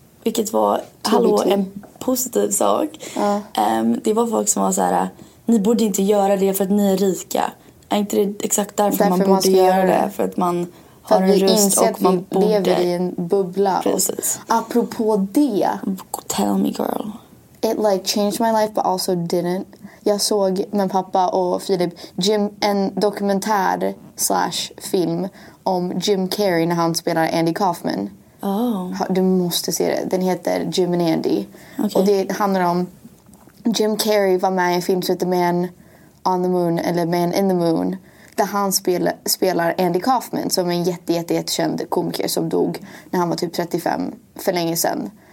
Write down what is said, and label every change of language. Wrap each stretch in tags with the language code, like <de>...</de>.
<sv>Vilket var, hallå, en positiv sak. Ja. Det var folk som var så här: ni borde inte göra det för att ni är rika. Är inte det exakt därför man borde göra det? För att man har en röst och man borde. För att vi inser att vi lever i en bubbla. Precis. Apropå det.</sv> <en>Tell me girl. It like changed my life but also didn't.</en> <sv>Jag såg med pappa och Filip Jim en dokumentär / film om Jim Carrey när han spelar Andy Kaufman. Oh. Du måste se det. Den heter Jim and Andy. Okay. Och det handlar om Jim Carrey var med i en film som heter Man on the Moon eller Man in the Moon där han spelar Andy Kaufman som är en jättekänd komiker som dog när han var typ 35 för länge sedan.</sv>